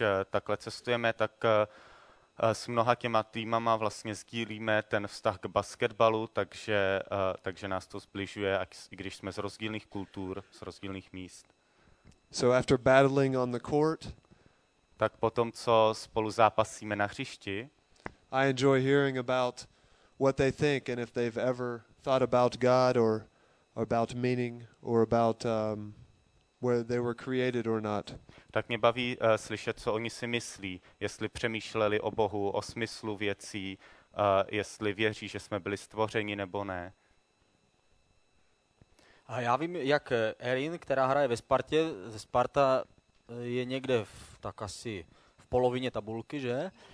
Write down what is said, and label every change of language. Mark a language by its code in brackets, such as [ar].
[cs] Takhle cestujeme, tak s mnoha těma týmama vlastně sdílíme ten vztah k basketbalu, takže nás to zbližuje, i když jsme z rozdílných kultur, z rozdílných míst. [en] So after battling on the court, [cs] tak potom co spolu zápasíme na hřišti, [en] I enjoy hearing about what they think and if they've ever thought about God or about meaning or about where they were created or not. [cs] Tak mě baví slyšet, co oni si myslí, jestli přemýšleli o Bohu, o smyslu věcí, jestli věří, že jsme byli stvořeni nebo ne. A já vím, jak Erin, která hraje ve Spartě, Sparta je někde v, tak asi v polovině tabulky, že?